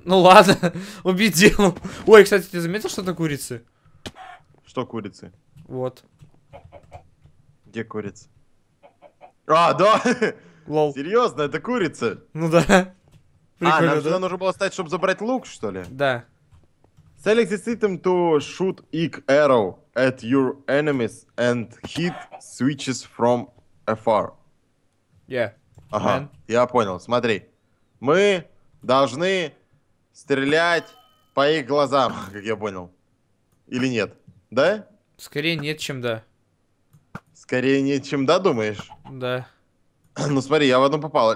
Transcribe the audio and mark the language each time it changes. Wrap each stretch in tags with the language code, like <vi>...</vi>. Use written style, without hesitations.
<ru>Ну ладно, убедил. Ой, кстати, ты заметил, что это курицы? Что курицы? Вот. Где курица? А, да. Лол. Серьезно, это курица? Ну да. Прикольно, а, нам сюда нужно было встать, чтобы забрать лук, что ли? Да.</ru> <en>Select this item to shoot ick arrow at your enemies and hit switches from afar. Yeah.</en> <ru>Ага, я понял, смотри. Мы должны стрелять по их глазам, как я понял. Или нет? Да? Скорее нет, чем да. Скорее нет, чем да, думаешь? Да. Ну смотри, я в одну попал.</ru>